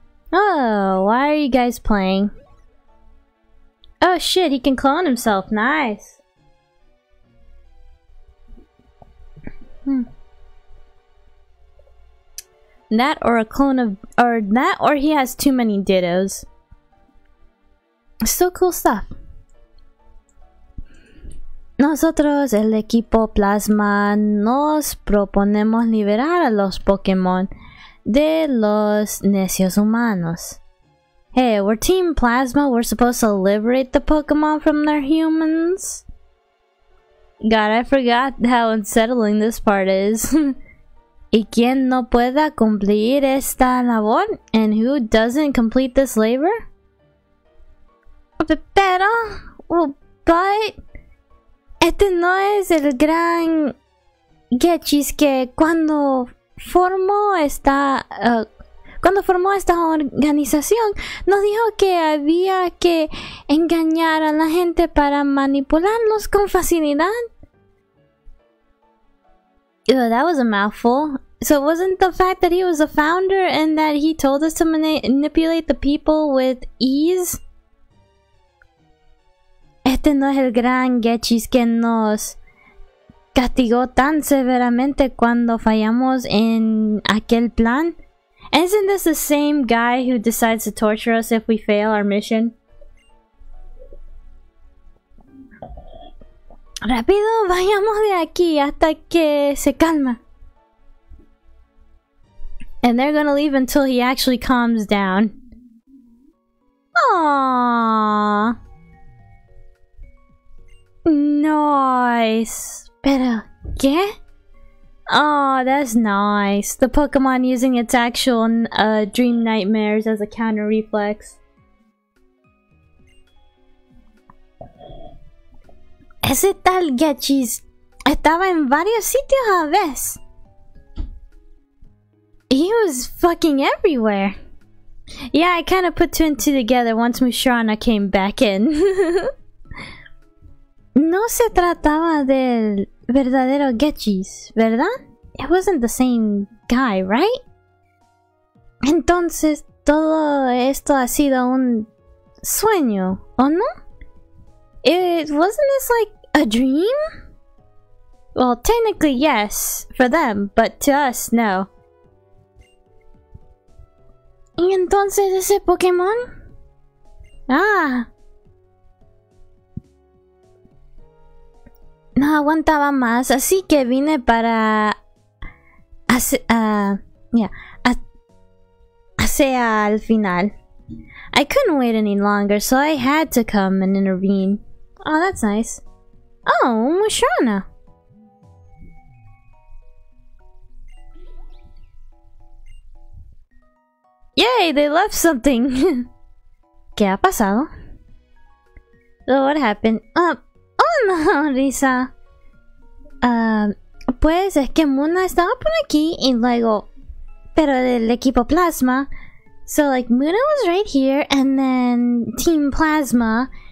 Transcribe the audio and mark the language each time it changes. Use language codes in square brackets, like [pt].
[en] Oh, why are you guys playing? Oh shit, he can clone himself, nice. That or a clone of, or that or he has too many dittos. So cool stuff. [es] Nosotros, el equipo Plasma, nos proponemos liberar a los Pokémon de los necios humanos. [en] Hey, we're Team Plasma. We're supposed to liberate the Pokémon from their humans. God, I forgot how unsettling this part is. [es] ¿Y quién no pueda cumplir esta labor? [en] And who doesn't complete this labor? [es] Pero, [en] but... [es] Este no es el gran Getchis que cuando formó esta organización nos dijo que había que engañar a la gente para manipularlos con facilidad. [en] Oh, that was a mouthful. So wasn't the fact that he was a founder and that he told us to manipulate the people with ease? [es] Este no es el gran Getchis que nos castigó tan severamente cuando fallamos en aquel plan. [en] Isn't this the same guy who decides to torture us if we fail our mission? [es] Rápido, vayamos de aquí hasta que se calma. [en] And they're gonna leave until he actually calms down. Aww. Nice. [es] Pero, ¿qué? [en] Oh, that's nice. The Pokemon using its actual dream nightmares as a counter reflex. [es] Ese tal Getchis estaba en varios sitios a vez. [en] He was fucking everywhere. Yeah, I kind of put two and two together once Mushrana came back in. [es] No se trataba del verdadero Getchis, ¿verdad? [en] It wasn't the same guy, right? [es] Entonces, todo esto ha sido un sueño, ¿o no? [en] Wasn't this like a dream? Well, technically yes, for them, but to us, no. [es] ¿Y entonces ese Pokémon? Ah! No aguantaba más, así que vine para al final. [en] I couldn't wait any longer, so I had to come and intervene. Oh, that's nice. Oh, Mushrana. Yay, they left something. [es] ¿Qué ha pasado? [en] So what happened? Oh no, Risa. [es] Pues es que Muna estaba por aquí y luego... Pero el equipo Plasma... [en] So like, Muna was right here and then Team Plasma...